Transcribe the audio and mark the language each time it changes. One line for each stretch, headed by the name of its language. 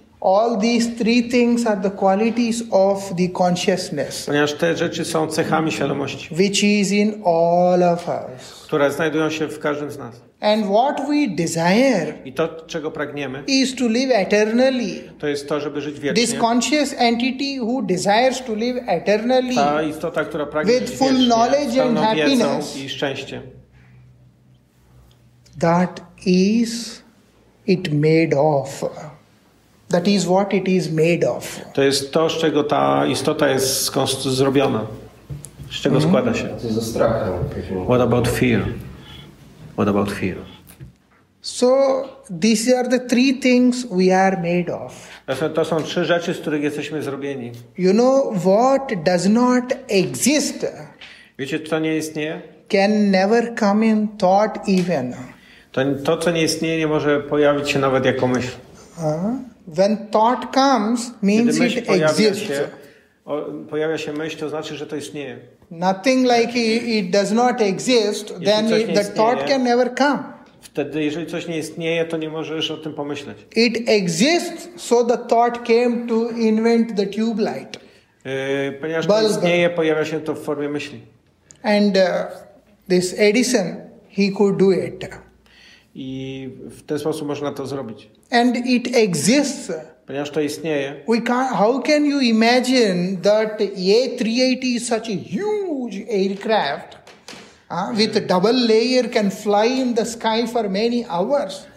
English: All these three things are the qualities of the consciousness.
Polish: Ponieważ te rzeczy są cechami świadomości,
English: which is in all of us.
Polish: Które znajdują się w każdym z nas.
English: And what we desire,
Polish: i to, czego pragniemy,
English: is to live eternally.
Polish: To jest to, żeby żyć wiecznie.
English: This conscious entity who desires to live eternally,
Polish: ta istota, która pragnie
English: with full
Polish: wiecznie,
English: knowledge and happiness,
Polish: pełną wiedzą i szczęście.
English: That is it made of. That is what it is made of.
Polish: To jest to, z czego ta istota jest zrobiona. Z czego składa się? Ze strachu.
English: What about fear? What about fear? So these are the three things we are made of.
Polish: To są trzy rzeczy, z których jesteśmy zrobieni.
English: You know what does not exist?
Polish: Wiecie, co nie istnieje?
English: Can never come in thought even.
Polish: To co nie istnieje, nie może pojawić się nawet jako myśl.
English: When thought comes, means
Polish: kiedy myśl
English: it exists.
Polish: Pojawia się myśl, to znaczy, że to istnieje.
English: Nothing like it does not exist, then the thought can never come.
Polish: Wtedy, jeżeli coś nie istnieje, to nie możesz o tym pomyśleć.
English: It exists, so the thought came to invent the tube light.
Polish: Ponieważ to istnieje, pojawia się to w formie myśli.
English: And this Edison, he could do it.
Polish: I w ten sposób można to zrobić.
English: And it exists.
Polish: Ponieważ to istnieje.
English: We can't, how can you imagine that A380 is such a huge aircraft with a double layer can fly in the sky for many hours?